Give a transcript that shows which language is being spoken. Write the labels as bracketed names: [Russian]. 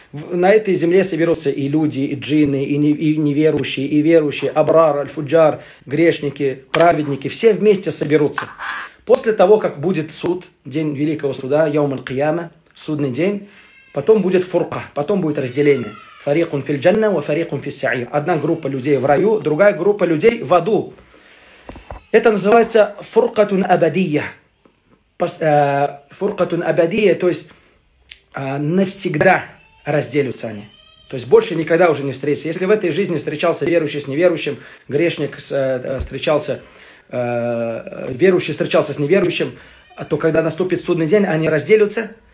[Russian] На этой земле соберутся и люди, и джинны, и неверующие, и верующие, абрар, аль-фуджар, грешники, праведники, все вместе соберутся. После того, как будет суд, день Великого Суда, Яум аль-Кияма, судный день, потом будет фурка, потом будет разделение. [Arabic] فريق في الجنة وفريق في السعير. [Russian] Одна группа людей в раю, другая группа людей в аду. Это называется фуркатун абадия. Фуркатун абадия, то есть навсегда разделятся они. То есть больше никогда уже не встретятся. Если в этой жизни встречался верующий с неверующим, грешник встречался, верующий встречался с неверующим, то когда наступит судный день, они разделятся.